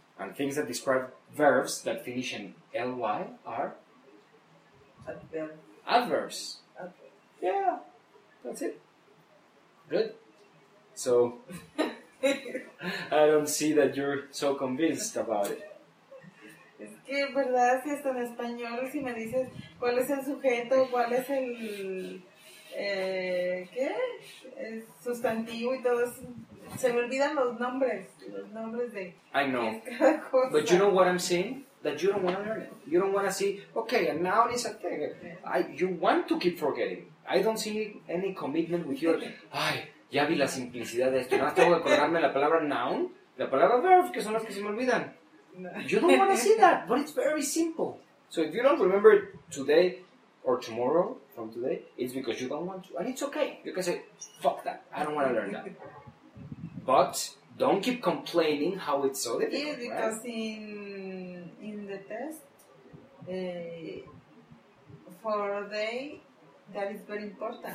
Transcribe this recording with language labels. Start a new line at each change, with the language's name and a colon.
English: And things that describe verbs that finish in L-Y are? Adverbs. Yeah, that's it. Good. So, I don't see that you're so convinced about it.
Spanish: Es que, ¿verdad? Si es en español, si me dices, ¿cuál es el sujeto? ¿Cuál es el...? ¿Qué? Sustantivo y todos se me olvidan los nombres de
English: I know. But you know what I'm saying? That you don't want to learn it. You don't want to see, okay, a noun is a thing. You want to keep forgetting. I don't see any commitment with your
Spanish: ay, ya vi la simplicidad de esto. No tengo que acordarme la palabra noun, la palabra verb, que son las que se me olvidan. No.
English: You don't want to see that, but it's very simple. So if you don't remember it today or tomorrow, from today, it's because you don't want to. And it's okay. You can say, fuck that. I don't want to learn that. But don't keep complaining how it's so difficult. Yeah, because right? in the test, for a day, that is very important.